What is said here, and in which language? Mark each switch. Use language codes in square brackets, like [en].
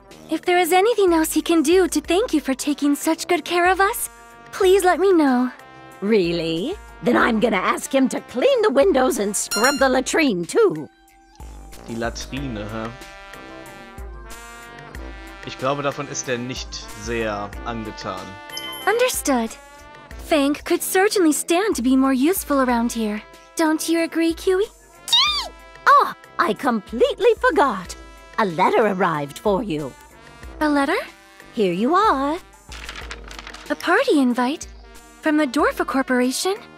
[en] If there is anything else he can do to thank you for taking such good care of us, please let me know. Really? Then I'm gonna ask him to clean the windows and scrub the latrine too. [de] Die Latrine, hä? Ich glaube, davon ist er nicht sehr angetan. [en] Understood. Fang could certainly stand to be more useful around here. Don't you agree, Kiwi? Oh, I completely forgot. A letter arrived for you. A letter? Here you are. A party invite? From the Dorfa Corporation?